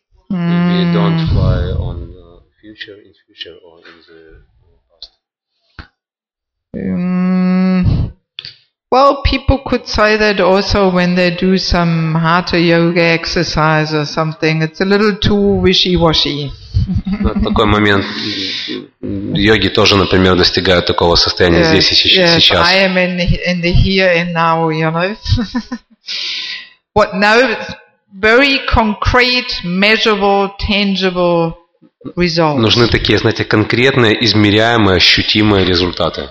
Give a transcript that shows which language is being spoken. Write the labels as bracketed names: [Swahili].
[English] We don't fly on future, in future or in the past. Well, people could say that also when they do some hatha yoga exercise or something. It's a little too wishy-washy. [Russian] На такой момент йоги тоже, например, достигают такого состояния здесь и сейчас. [English] I am in the here and now, you know. What, no, very concrete, measurable, tangible results. [Russian] Нужны такие, знаете, конкретные, измеряемые, ощутимые результаты.